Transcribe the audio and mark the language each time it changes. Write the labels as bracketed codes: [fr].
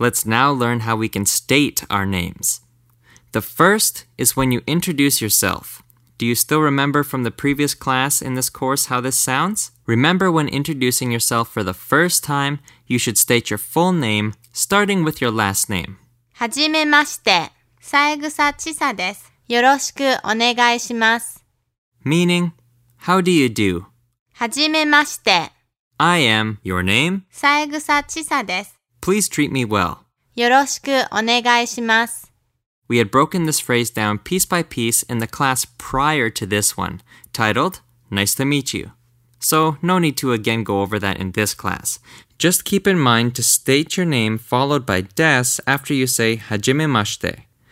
[en] Let's now learn how we can state our names. The first is when you introduce yourself. Do you still remember from the previous class in this course how this sounds? Remember, when introducing yourself for the first time, you should state your full name, starting with your last name. [ja] はじめまして、三枝千紗です。よろしくお願いします。 [en] Meaning, how do you do? [ja] はじめまして。 [en] I am your name. [ja] 三枝千紗です。 [en] Please treat me well. [ja] よろしくお願いします。 [en] We had broken this phrase down piece by piece in the class prior to this one, titled, Nice to meet you. So, no need to again go over that in this class. Just keep in mind to state your name followed by desu after you say hajimemashite.